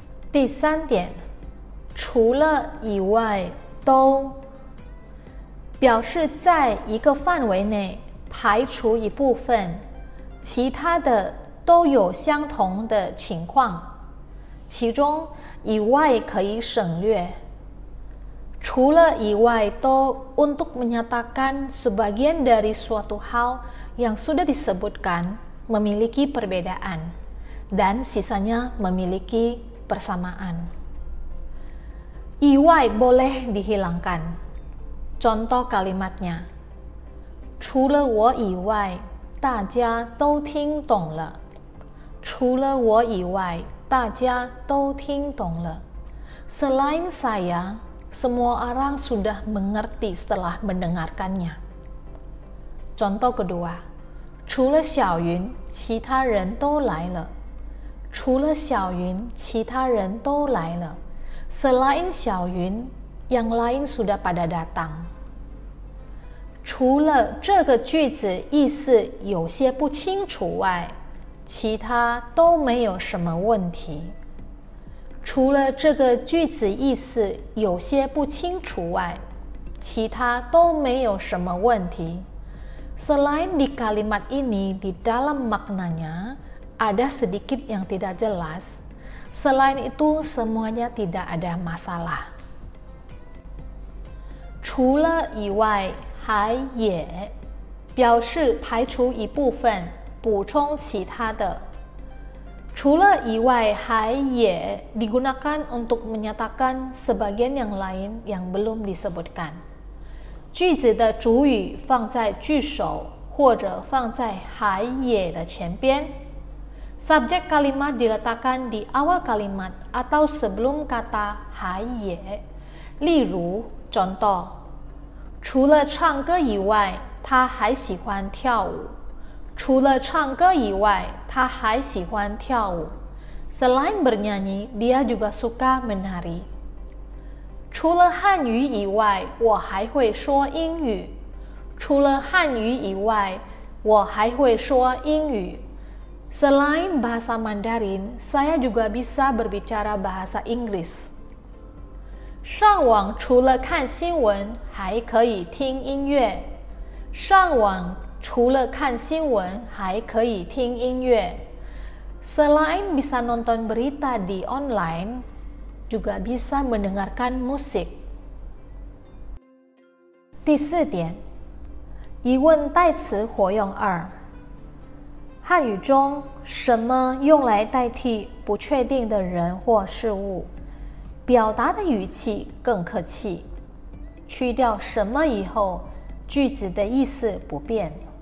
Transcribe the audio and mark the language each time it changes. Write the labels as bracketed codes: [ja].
[zh] 第三点，除了以外都。表示在一个范围内排除一部分，其他的都有相同的情况，其中以外可以省略。 [id] 除了以外都 untuk menyatakan sebagian dari suatu hal yang sudah disebutkan memiliki perbedaan dan sisanya memiliki persamaan. 以外 boleh dihilangkan. Contoh kalimatnya, [zh] 除了我以外大家都听懂了。除了我以外大家都听懂了。 [id] Selain saya,Semua orang sudah mengerti setelah mendengarkannya. Contoh kedua, [zh] 除了小云，其他人都来了。除了小云，其他人都来了。 [id] Selain 小云, yang lain sudah pada datang. [zh] 除了这个句子意思有些不清楚外，其他都没有什么问题。除了这个句子意思有些不清楚外，其他都没有什么问题。 [id] Selain di kalimat ini di dalam maknanya ada sedikit yang tidak jelas, selain itu semuanya tidak ada masalah. [zh] 除了以外还也，表示排除一部分，补充其他的。 [id] 除了以外还也 digunakan untuk menyatakan sebagian yang lain yang belum disebutkan. [zh] 句子的主语放在句首或者放在还也的前边。 [id] Subject kalimat diletakkan di awal kalimat atau sebelum kata 还也。 [zh] 例如 contoh, 除了唱歌以外他还喜欢跳舞。除了唱歌以外他还喜欢跳舞。 [id] Selain bernyanyi, dia juga suka menari. [zh] 除了汉语以外我还会说英语。除了汉语以外我还会说英语。 [id] Selain bahasa Mandarin, saya juga bisa berbicara bahasa Inggris. [zh] 上网除了看新闻还可以听音乐。上网除了看新闻还可以听音乐。 [id] Selain bisa nonton berita di online, juga bisa mendengarkan musik. [zh] 第四点，疑问代词活用二。汉语中什么用来代替不确定的人或事物，表达的语气更客气。去掉什么以后，句子的意思不变。